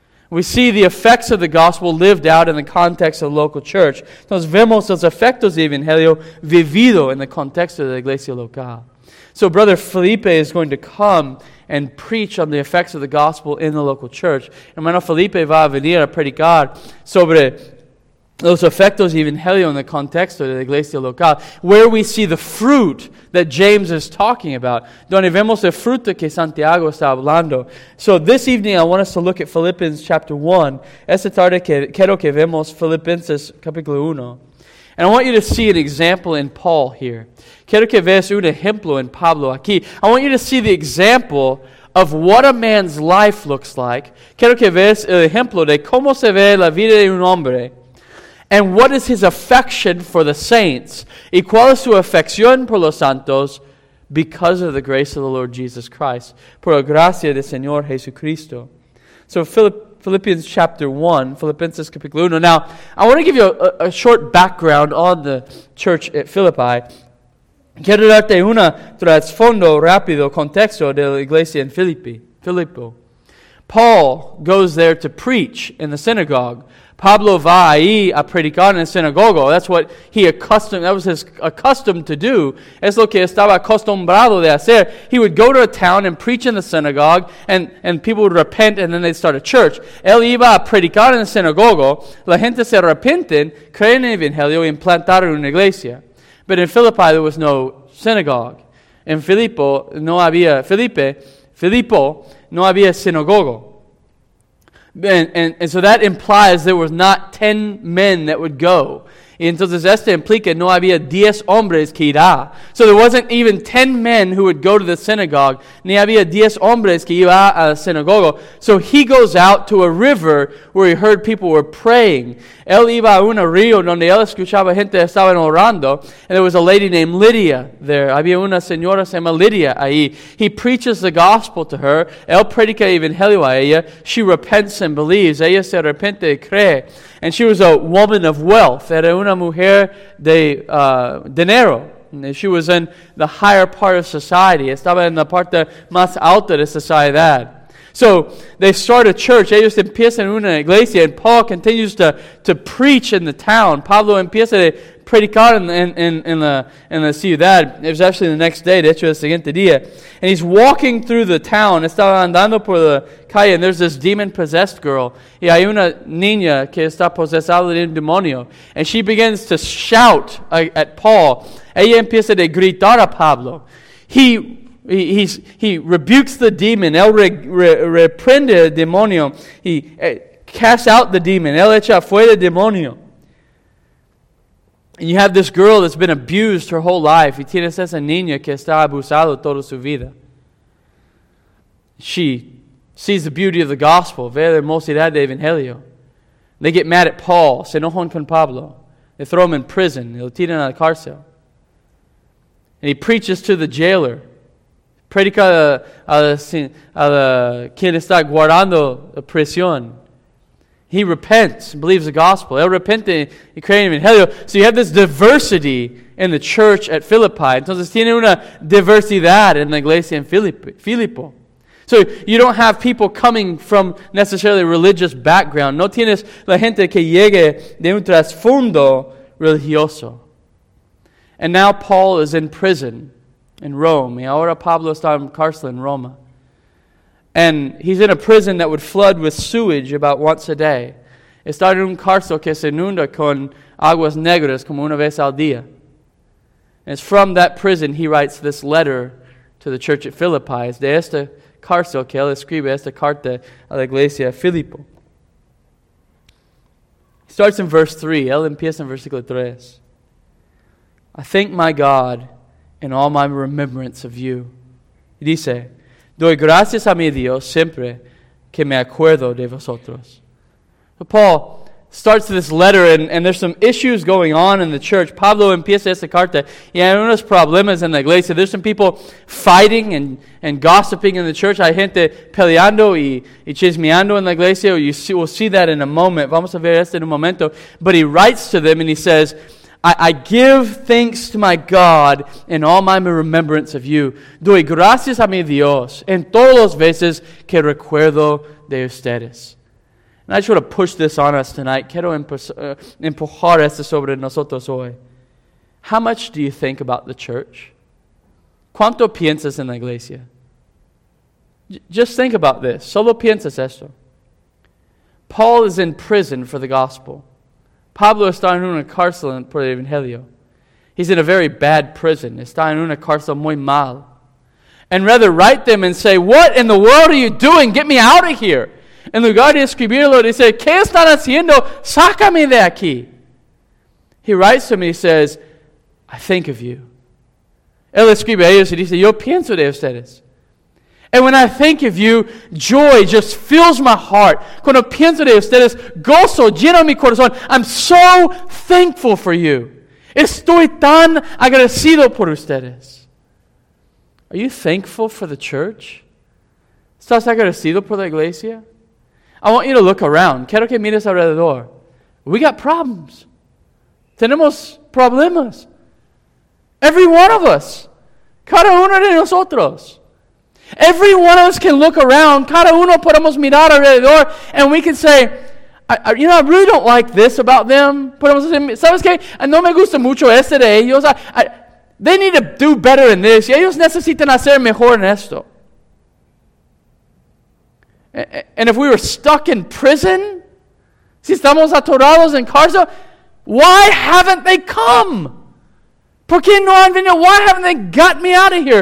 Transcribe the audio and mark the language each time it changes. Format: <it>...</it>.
<en>We see the effects of the gospel lived out in the context of the local church.</en> <es>Entonces vemos los efectos del evangelio vivido en el contexto de la iglesia local.</es> <en>So Brother Felipe is going to come and preach on the effects of the gospel in the local church.</en> <es>Hermano Felipe va a venir a predicar sobre los efectos del evangelio en el contexto de la iglesia local.</es> <en>Where we see the fruit that James is talking about.</en> <es>Donde vemos el fruto que Santiago está hablando.</es> <en>So this evening I want us to look at Philippians chapter 1.</en> <es>Esta tarde quiero que vemos Filipenses capítulo 1.</es> <en>And I want you to see an example in Paul here.</en> <es>Quiero que veas un ejemplo en Pablo aquí.</es> <en>I want you to see the example of what a man's life looks like.</en> <es>Quiero que veas el ejemplo de cómo se ve la vida de un hombre.</es> <en>And what is his affection for the saints. Y cuál es su afección por los santos. Because of the grace of the Lord Jesus Christ.</en> <es>Por la gracia del Señor Jesucristo.</es> <en>So Philippians chapter 1,</en> <es>Philippians capítulo 1.</es> <en>Now, I want to give you a short background on the church at Philippi.</en> <es>Quiero darte un trasfondo rápido, contexto de la iglesia en Filipo.</es> <en>Paul goes there to preach in the synagogue.</en> <es>Pablo va ahí a predicar en el sinagogo.</es> <en>That's what he was accustomed to do.</en> <es>Es lo que estaba acostumbrado de hacer.</es> <en>He would go to a town and preach in the synagogue, and people would repent, and then they'd start a church.</en> <es>Él iba a predicar en el sinagogo. La gente se arrepenten, creen en el evangelio, y implantaron una iglesia.</es> <en>But in Philippi, there was no synagogue.</en> <es>En Filipo, no había Filipo, no había sinagogo.</es> <en>And so that implies there was not 10 men that would go.</en> <es>Y entonces esto implica no había 10 hombres que irá.</es> <en>So there wasn't even 10 men who would go to the synagogue.</en> <es>Ni había 10 hombres que iba a la sinagoga.</es> <en>So he goes out to a river where he heard people were praying.</en> <es>Él iba a un río donde él escuchaba gente estaban orando.</es> <en>And there was a lady named Lydia there.</en> <es>Había una señora se llama Lydia ahí.</es> <en>He preaches the gospel to her.</en> <es>Él predica el evangelio a ella.</es> <en>She repents and believes.</en> <es>Ella se arrepente y cree.</es> <en>And she was a woman of wealth.</en> <es>Era una mujer de dinero.</es> <en>And she was in the higher part of society.</en> <es>Estaba en la parte más alta de sociedad.</es> <en>So they start a church.</en> <es>Ellos empiezan una iglesia.</es> <en>And Paul continues to preach in the town.</en> <es>Pablo empieza a predicar en la ciudad.</es> <en>It was actually the next day.</en> <es>De hecho, el siguiente día.</es> <en>And he's walking through the town.</en> <es>Estaba andando por la calle.</es> <en>And there's this demon-possessed girl.</en> <es>Y hay una niña que está posesada de un demonio.</es> <en>And she begins to shout at Paul.</en> <es>Ella empieza a gritar a Pablo.</es> <en>He rebukes the demon.</en> <es>Él reprende el demonio.</es> <en>He casts out the demon.</en> <es>Él echa fuera el demonio.</es> <en>And you have this girl that's been abused her whole life.</en> <es>Y tienes esa niña que está abusada toda su vida.</es> <en>She sees the beauty of the gospel.</en> <es>Ve la hermosidad del evangelio.</es> <en>They get mad at Paul.</en> <es>Se enojan con Pablo.</es> <en>They throw him in prison.</en> <es>Y lo tiran a la cárcel.</es> <en>And he preaches to the jailer.</en> <es>Predica a quien está guardando la prisión.</es> <en>He repents and believes the gospel.</en> <es>Él repente y cree en el evangelio.</es> <en>So you have this diversity in the church at Philippi.</en> <es>Entonces tiene una diversidad en la iglesia en Filipo.</es> <en>So you don't have people coming from necessarily a religious background.</en> <es>No tienes la gente que llegue de un trasfondo religioso.</es> <en>And now Paul is in prison in Rome.</en> <es>Y ahora Pablo está en cárcel en Roma.</es> <en>And he's in a prison that would flood with sewage about once a day.</en> <es>Está en un cárcel que se inunda con aguas negras como una vez al día.</es> <en>And it's from that prison he writes this letter to the church at Philippi.</en> <es>Es de esta cárcel que él escribe esta carta a la iglesia de Filipo.</es> <en>He starts in verse 3.</en> <es>Él empieza en versículo 3.</es> <en>I thank my God in all my remembrance of you.</en> <es>Y dice, doy gracias a mi Dios siempre que me acuerdo de vosotros.</es> <en>So Paul starts this letter, and there's some issues going on in the church.</en> <es>Pablo empieza esta carta. Y hay unos problemas en la iglesia.</es> <en>There's some people fighting and gossiping in the church.</en> <es>Hay gente peleando y chismeando en la iglesia.</es> <en>We'll see that in a moment.</en> <es>Vamos a ver esto en un momento.</es> <en>But he writes to them, and he says, I give thanks to my God in all my remembrance of you.</en> <es>Doy gracias a mi Dios en todas las veces que recuerdo de ustedes.</es> <en>And I just want to push this on us tonight.</en> <es>Quiero empujar esto sobre nosotros hoy.</es> <en>How much do you think about the church?</en> <es>¿Cuánto piensas en la iglesia?</es> <en>Just think about this.</en> <es>Solo piensas esto.</es> <en>Paul is in prison for the gospel.</en> <es>Pablo está en una cárcel por el evangelio.</es> <en>He's in a very bad prison.</en> <es>Está en una cárcel muy mal.</es> <en>And rather write them and say, what in the world are you doing? Get me out of here.</en> <es>En lugar de escribirlo, dice, ¿qué están haciendo? Sácame de aquí.</es> <en>He writes to him and he says, I think of you.</en> <es>Él escribe a ellos y dice, yo pienso de ustedes.</es> <en>And when I think of you, joy just fills my heart.</en> <es>Cuando pienso de ustedes, gozo lleno mi corazón.</es> <en>I'm so thankful for you.</en> <es>Estoy tan agradecido por ustedes.</es> <en>Are you thankful for the church?</en> <es>¿Estás agradecido por la iglesia?</es> <en>I want you to look around.</en> <es>Quiero que mires alrededor.</es> <en>We got problems.</en> <es>Tenemos problemas.</es> <en>Every one of us.</en> <es>Cada uno de nosotros.</es> <en>Every one of us can look around.</en> <es>Cada uno podemos mirar alrededor.</es> <en>And we can say, I really don't like this about them.</en> <es>Podemos decir, ¿sabes qué? No me gusta mucho este de ellos.</es> <en>They need to do better in this.</en> <es>Y ellos necesitan hacer mejor en esto.</es> <en>And if we were stuck in prison,</en> <es>si estamos atorados en cárcel,</es> <en>why haven't they come?</en> <es>¿Por qué no han venido?</es> <en>Why haven't they got me out of here?</en>